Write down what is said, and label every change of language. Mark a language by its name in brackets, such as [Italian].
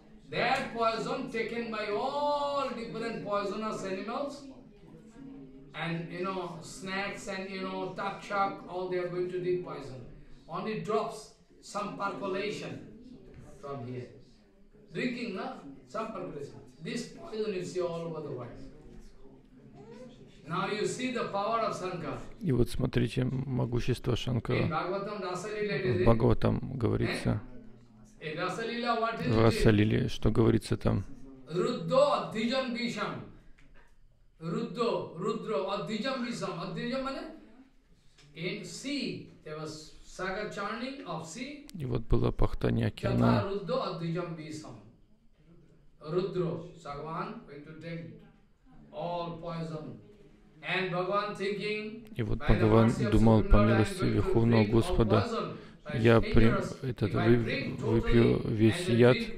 [English] That poison taken by all different poisonous animals, and you know snakes and you know tuk-tuk, all they are going to be poison. Only drops, some percolation from here. Drinking, no? Some percolation. This poison you see all over the world. Now you see the power of Shankara. [Russian] И вот смотрите могущество Шанкара. [English] In Bhagavatam Rasalila, [Russian] в Бхагаватам говорится. В Расалиле, что говорится там? [Sanskrit] Руддо аддиджам бишам. Руддо, рудро, аддиджам бишам. Аддиджам мане? [English] In sea, there was saga churning of sea. [Russian] И вот было пахтание океана. [Sanskrit] Тата руддо аддиджам бишам. Рудро, Сагаван, [English] going to take all poison. And Bhagavan thinking, [Russian] и вот Бхагаван думал, по милости Верховного Господа, я этот выпью весь яд.